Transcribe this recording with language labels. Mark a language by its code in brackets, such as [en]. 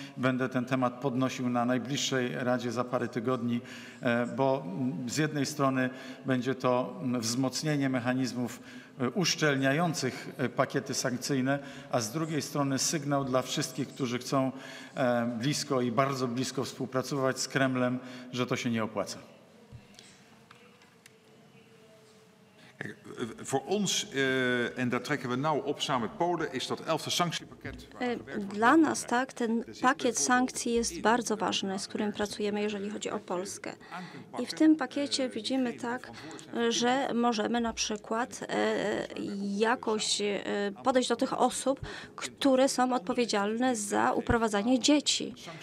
[pl] Będę ten temat podnosił na najbliższej Radzie za parę tygodni, bo z jednej strony będzie to wzmocnienie mechanizmów uszczelniających pakiety sankcyjne, a z drugiej strony sygnał dla wszystkich, którzy chcą blisko i bardzo blisko współpracować z Kremlem, że to się nie opłaca. [nl] Voor ons, en daar trekken we nauw op samen met Polen, is dat 11e sanctiepakket. [pl] Dla nas, tak, ten pakiet sankcji jest bardzo ważny, z którym pracujemy, jeżeli chodzi o Polskę. I w tym pakiecie widzimy tak, że możemy na przykład jakoś podejść do tych osób, które są odpowiedzialne za uprowadzanie dzieci.